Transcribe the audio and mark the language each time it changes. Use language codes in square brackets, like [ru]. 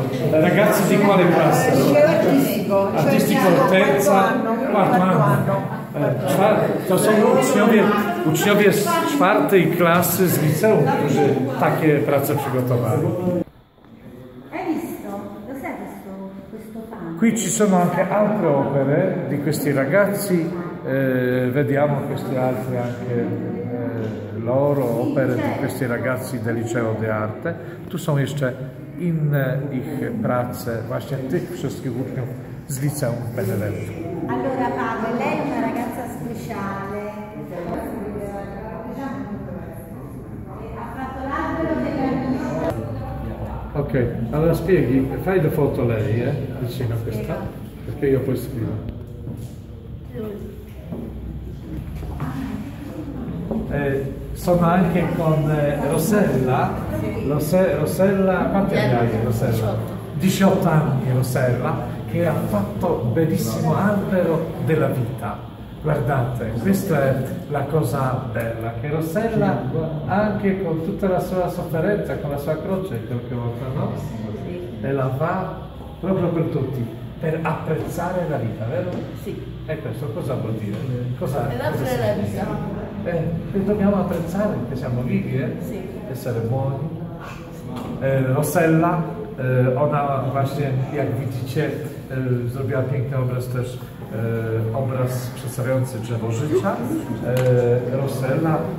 [it] Ragazzi di quale classe? Artistico, cioè, terza, quarto anno. [pl] To są uczniowie z czwartej klasy z liceum, którzy takie prace przygotowali. [it] Hai visto? Lo sai questo fanno? Qui ci sono anche altre opere di questi ragazzi, vediamo queste altre anche. Loro, opere di questi ragazzi del liceo di arte. [pl] Tu sono jeszcze inne ich prace, właśnie tych wszystkich uczniów z liceum w Benevento. [it] Allora Paolo, lei è una ragazza speciale. Ha fatto l'albero della vita. Ok, allora spieghi, fai le foto lei, vicino a questa, perché io poi scrivo. Sono anche con Rossella. Rossella, quante anni hai Rossella? 18 anni Rossella, che ha fatto bellissimo albero della vita. Guardate, questa è la cosa bella, che Rossella anche con tutta la sua sofferenza, con la sua croce qualche volta, no? E la fa proprio per tutti, per apprezzare la vita, vero? Sì. E questo cosa vuol dire? Cosa è la vita? Dobbiamo apprezzare che siamo vivi, sì. Essere buoni. [pl] Rossella, ona właśnie, jak widzicie, zrobiła piękny obraz też, obraz przedstawiający drzewo życia. Rossella